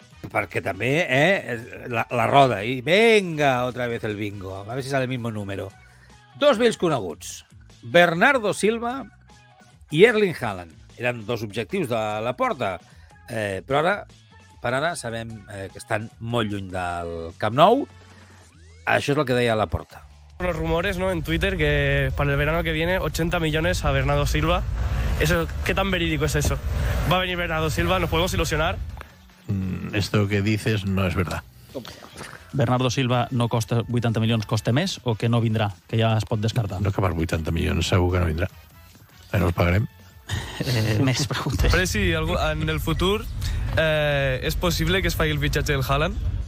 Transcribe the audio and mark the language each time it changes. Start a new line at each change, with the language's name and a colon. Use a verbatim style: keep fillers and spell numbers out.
Catalan: Perquè també, eh, la, la roda, i
Spanish: venga, otra vez el bingo,
Catalan: a veure si
Spanish: sale el mismo número.
Catalan: Dos vells coneguts, Bernardo Silva i Erling Haaland. Eren dos objectius de Laporta. Eh, però ara, per ara, sabem eh, que estan molt lluny del Camp Nou. Això és el que deia Laporta.
Spanish: Los rumores, ¿no? En Twitter que para el verano que viene ochenta millones a Bernardo Silva. Eso, ¿qué tan verídico es eso? Va a venir Bernardo Silva, nos podemos ilusionar. Mm, esto que dices no es verdad.
Catalan: Bernardo Silva no costa ochenta milions, costa més, o que no vindrà, que ja es pot descartar? No, que per ochenta milions segur que no vindrà. Eh, no els pagarem. Eh, més preguntes. Però si en el futur eh, és possible que es faci el fitxatge del Haaland?